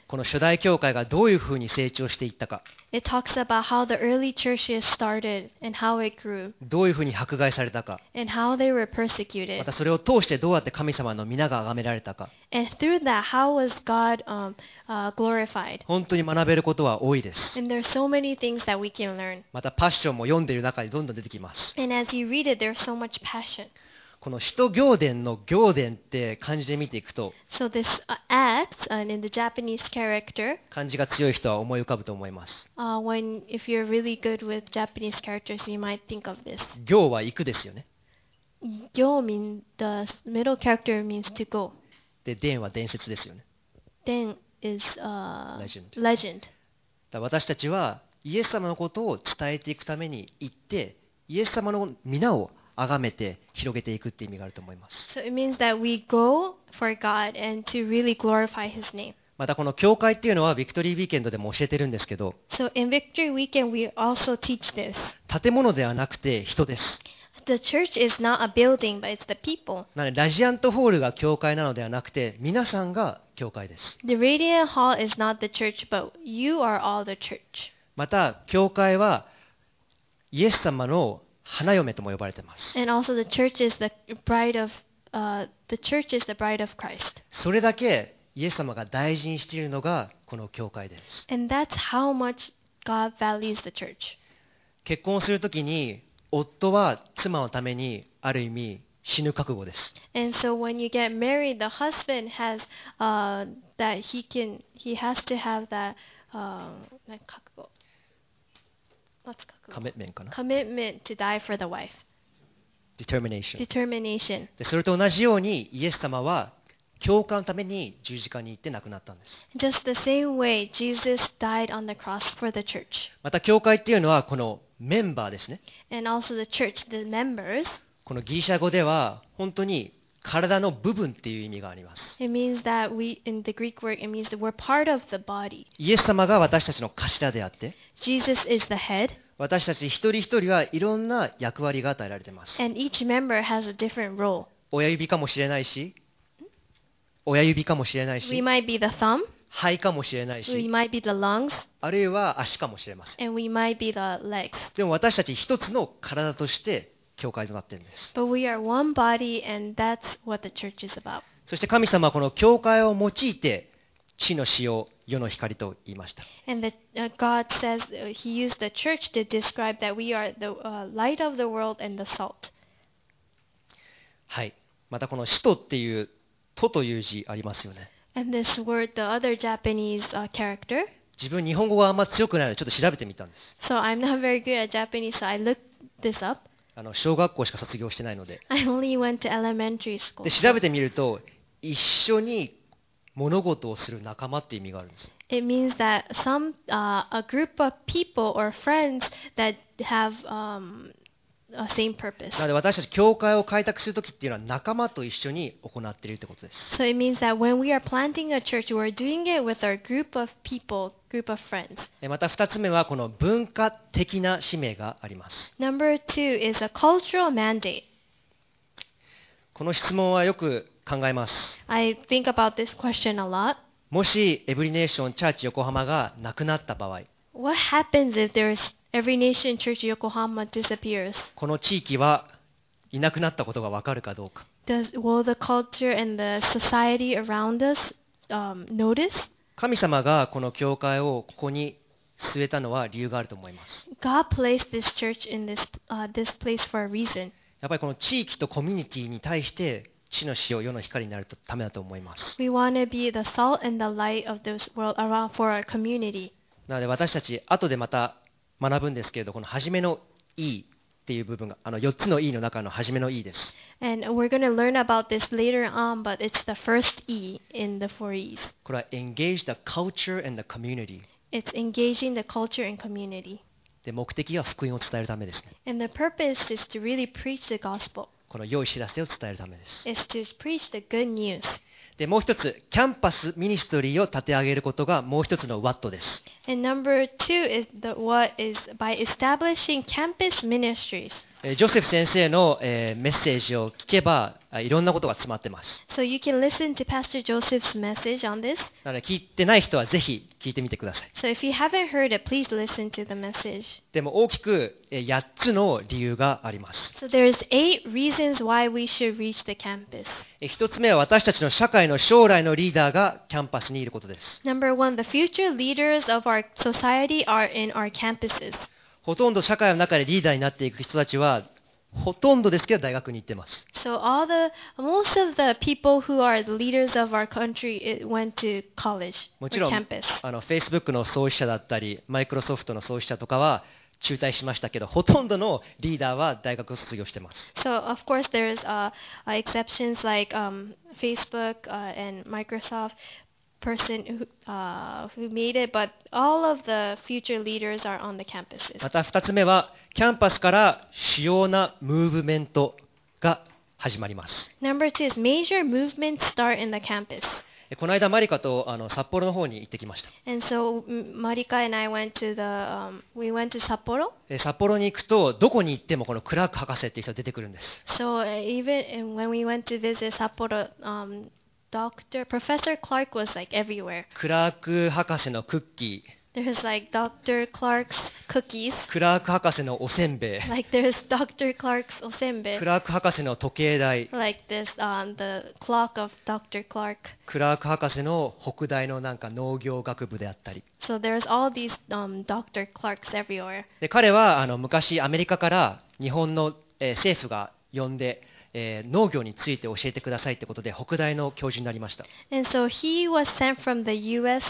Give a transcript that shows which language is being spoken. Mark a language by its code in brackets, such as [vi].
[ja] この初代教会がどういうふうに成長していったか。 [en] It talks about how the early churches started and how it grew. [ja] どういうふうに迫害されたか。 [en] And how they were persecuted. [ja] またそれを通してどうやって神様の皆が崇められたか。 [en] And through that, how was God, glorified? [ja] 本当に学べることは多いです。 [en] And there are so many things that we can learn. [ja] またパッションも読んでいる中にどんどん出てきます。 [en] And as you read it, there's so much passion. [ja] この使徒行伝の行伝って漢字で見ていくと、 [en] so this acts, in the Japanese character, [ja] 漢字が強い人は思い浮かぶと思います。 [en] If you're really good with Japanese characters, you might think of this. [ja] 行は行くですよね。 [en] 行 means the middle character means to go. [ja] で、伝は伝説ですよね。 [en] 伝 is legend. [ja] だ私たちはイエス様のことを伝えていくために行って、イエス様の皆を崇めて広げていくって意味があると思います。 [en] So it means that we go for God and to really glorify His name. [ja] またこの教会っていうのはビクトリーウィーケンドでも教えてるんですけど、 [en] So in Victory Weekend we also teach this. [ja] 建物ではなくて人です。 [en] The church is not a building, but it's the people. [ja] なのでラジアントホールが教会なのではなくて皆さんが教会です。 [en] The Radiant Hall is not the church, but you are all the church. [ja] また教会はイエス様の花嫁とも呼ばれてます。 [en] And also the church is the bride of, the church is the bride of Christ. [ja] それだけイエス様が大事にしているのがこの教会です。 [en] And that's how much God values the church. [ja] 結婚するときに夫は妻のためにある意味死ぬ覚悟です。 [en] And so when you get married, the husband has, that he can, he has to have that, that 覚悟。 Commitment かな? Commitment to die for the wife. Determination. Determination. [ja] で、それと同じようにイエス様は教会のために十字架に行って亡くなったんです。 [en] Just the same way Jesus died on the cross for the church. [ja] また教会っていうのはこのメンバーですね。 [en] And also the church, the members. [ja] このギリシャ語では本当に体の部分っていう意味があります。 [en] It means that we, in the Greek word, it means that we're part of the body. [ja] イエス様が私たちの頭であって、 [en] Jesus is the head. [ja] 私たち一人一人はいろんな役割が与えられています。 [en] And each member has a different role. [ja] 親指かもしれないし、親指かもしれないし、 [en] We might be the thumb. [ja] 肺かもしれないし、 [en] we might be the lungs, [ja] あるいは足かもしれません。 [en] And we might be the legs. [ja] でも私たち一つの体として教会となっているんです。 [en] But we are one body, and that's what the church is about. [ja] そして神様はこの教会を用いて地の塩、世の光と言いました。 [en] And the, God says he used the church to describe that we are the、light of the world and the salt. [ja] はい。またこの使徒っていう、徒という字ありますよね。 [en] And this word, the other Japanese, character. [ja] 自分日本語があんま強くないのでちょっと調べてみたんです。 [en] So I'm not very good at Japanese, so I looked this up. [ja] 小学校しか卒業してないので。 [en] I only went to elementary school. [ja] で調べてみると、一緒に物事をする仲間って意味があるんです。 [en] It means that some, a group of people or friends that have, a same purpose. [ja] なので私たち教会を開拓するときっていうのは仲間と一緒に行っているってことです。 [en] So it means that when we are planting a church, we're doing it with our group of people, group of friends. [ja] また二つ目はこの文化的な使命があります。 [en] Number two is a cultural mandate. [ja] この質問はよく考えます。 [en] I think about this question a lot. [ja] もしエブリネーションチャーチ横浜がなくなった場合、 [en] What happens if there's Every Nation Church Yokohama disappears? [ja] この地域はいなくなったことがわかるかどうか。 [en] Will the culture and the society around us, notice? [ja] 神様がこの教会をここに据えたのは理由があると思います。 [en] God placed this church in this, this place for a reason. [ja] やっぱりこの地域とコミュニティに対して地の塩、世の光になるためだと思います。 [en] We want to be the salt and the light of this world around for our community. [ja] なので私たち後でまた学ぶんですけれど、この初めの E っていう部分が、4つの E の中の初めの E です。 [en] And we're going to learn about this later on, but it's the first E in the four E's. [ja] これは [en] engage the culture and the community. It's engaging the culture and community. [ja] で、目的は福音を伝えるためですね。 [en] And the purpose is to really preach the gospel. [ja] この良い知らせを伝えるためです。 [en] It's to preach the good news. [ja] でもう一つ、キャンパスミニストリーを立て上げることがもう一つの What です。 [en] And number two is the What is by establishing campus ministries. [ja] ジョセフ先生の、メッセージを聞けば、いろんなことが詰まってます。 [en] So you can listen to Pastor Joseph's message on this. [ja] なので聞いてない人はぜひ聞いてみてください。 [en] So if you haven't heard it, please listen to the message. [ja] でも大きく、8つの理由があります。 [en] So there's eight reasons why we should reach the campus. [ja] 一つ目は私たちの社会の将来のリーダーがキャンパスにいることです。 [en] Number one, the future leaders of our society are in our campuses. [ja] ほとんど社会の中でリーダーになっていく人たちはほとんどですけど大学に行ってます。 [en] So all the most of the people who are the leaders of our country went to college or campus. [ja] もちろん、Facebook の創始者だったり、Microsoft の創始者とかは中退しましたけど、ほとんどのリーダーは大学を卒業してます。 [en] So of course there's exceptions like Facebook and Microsoft person who made it, but all of the future leaders are on the campuses. [ja] また二つ目は。キャンパスから主要なムーブメントが始まります。 [en] Number two is major movements start in the campus. [ja] この間マリカと札幌の方に行ってきました。 [en] And so Marika and I went to the, we went to Sapporo. [ja] 札幌に行くとどこに行ってもこのクラーク博士っていう人が出てくるんです。 [en] So even when we went to visit Sapporo, Dr. Professor Clark was like everywhere. [ja] クラーク博士のクッキー。 [en] There's like Dr. Clark's cookies. [ja] クラーク博士のおせんべい。 [en] Like there's Dr. Clark's おせんべい。 [ja] クラーク博士の時計台。 [en] Like this on the clock of Dr. Clark. [ja] クラーク博士の北大のなんか農業学部であったり。 [en] So there's all these Dr. Clark's everywhere. [ja] で彼は昔アメリカから日本の、政府が呼んで、農業について教えてくださいってことで北大の教授になりました。 [en] And so he was sent from the U.S.